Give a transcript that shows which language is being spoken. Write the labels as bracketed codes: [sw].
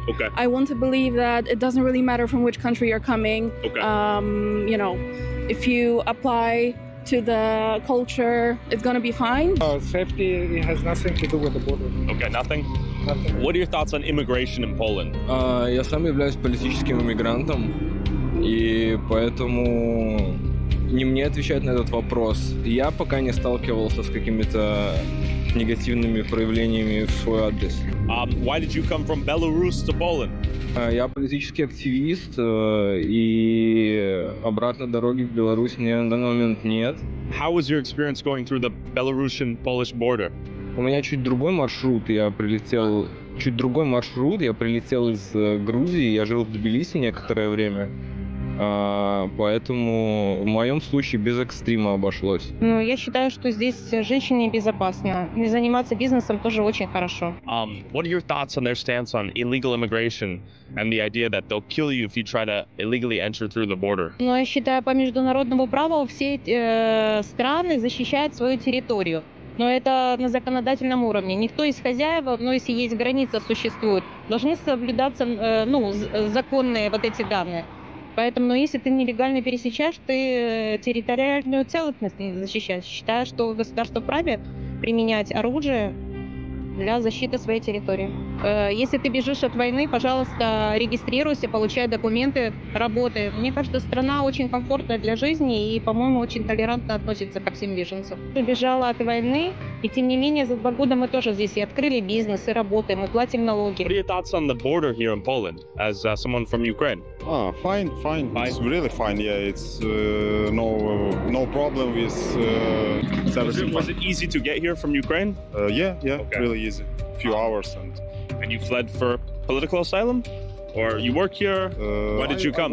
[en] Okay. I want to believe that it doesn't really matter from which country you're coming. Okay. You know, if you apply to the culture, it's gonna be fine. Safety, it has nothing to do with the border. Okay, nothing? Nothing. What are your thoughts on immigration in Poland? [ru] Я сам являюсь политическим иммигрантом. И поэтому не мне отвечать на этот вопрос. Я пока не сталкивался с какими-то негативными проявлениями в свой адрес. [en] Why did you come from Belarus to Poland? [ru] Я политический активист, и обратной дороги в Беларусь мне на данный момент нет. [en] How was your experience going through the Belarusian-Polish border? [ru] У меня чуть другой маршрут, я прилетел из Грузии, я жил в Тбилиси некоторое время. Поэтому в моем случае без экстрима обошлось. Ну, я считаю, что здесь женщине безопасно. И заниматься бизнесом тоже очень хорошо. [en] What are your thoughts on their stance on illegal immigration and the idea that they'll kill you if you try to illegally enter through the border? [ru] Ну, я считаю, по международному праву все страны защищают свою территорию. Но это на законодательном уровне. Никто из хозяев, но если есть граница, существует, должны соблюдаться законные вот эти данные. Поэтому, ну, если ты нелегально пересечешь, ты территориальную целостность не защищаешь. Считаю, что государство вправе применять оружие для защиты своей территории. Если ты бежишь от войны, пожалуйста, регистрируйся, получай документы, работай. Мне кажется, страна очень комфортная для жизни и, по-моему, очень толерантно относится ко всем беженцам. Я бежала от войны, и тем не менее, за 2 года мы тоже здесь и открыли бизнес, и работаем, и платим налоги. [en] What are your thoughts on the border here in Poland, as someone from Ukraine? Oh, fine. It's really fine, yeah. It's no problem with service. Was it easy to get here from Ukraine? Yeah, okay. Really easy. A few hours. And you fled for political asylum? Or you work here? Why did you come?